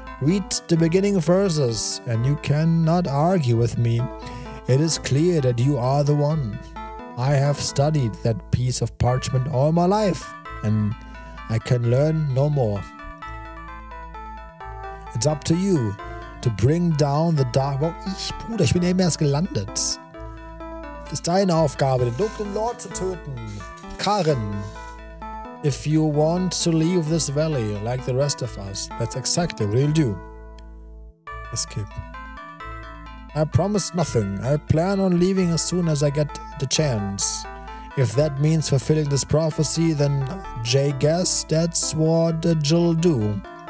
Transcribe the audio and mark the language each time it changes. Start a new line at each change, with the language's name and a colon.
English: Read the beginning verses, and you cannot argue with me. It is clear that you are the one. I have studied that piece of parchment all my life, and I can learn no more. It's up to you to bring down the dark...
German: Well, Bruder, ich bin eben erst gelandet. Es ist deine Aufgabe, den dunklen Lord zu töten.
English: Karen, if you want to leave this valley like the rest of us, that's exactly what you'll do. Escape. I promise nothing. I plan on leaving as soon as I get the chance. If that means fulfilling this prophecy, then Jay guess that's what Jill do.